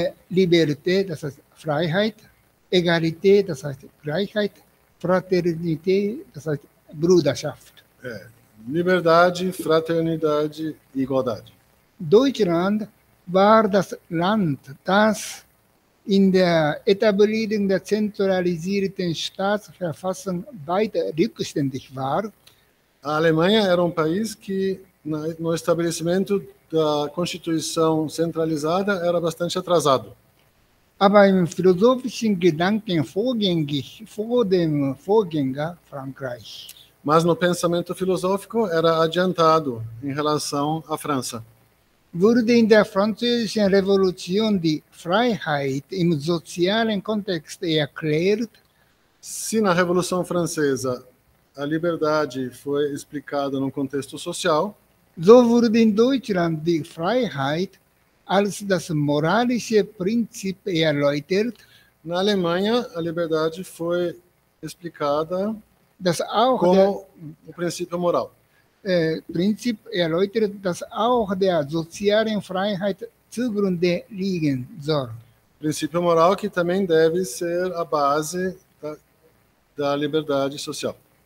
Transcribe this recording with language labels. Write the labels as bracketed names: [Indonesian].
[German] Liberté, das heißt Freiheit, Egalité, das heißt Gleichheit, Fraternité, das heißt Bruderschaft. [Portuguese] Liberdade, fraternidade e igualdade. [German] Deutschland war das Land, das in der Etablierung der zentralisierten Staatsverfassung weit rückständig war. [Portuguese] A Alemanha era um país que, no estabelecimento da Constituição centralizada, era bastante atrasado. [German] Aber im philosophischen Gedanken vor dem Vorgänger Frankreich. [Portuguese] Mas no pensamento filosófico era adiantado em relação à França. [German] Wurde in der französischen Revolution die Freiheit im sozialen Kontext erklärt? [Portuguese] Se na Revolução Francesa a liberdade foi explicada num contexto social, [German] so wurde in Deutschland die Freiheit als das moralische Prinzip erläutert. [Portuguese] Na Alemanha, a liberdade foi explicada [German] das auch [Portuguese] como o princípio moral. [German] Prinzip erläutert, dass auch der sozialen Freiheit zugrunde liegen soll. [Portuguese] Princípio moral que também deve ser a base da liberdade social.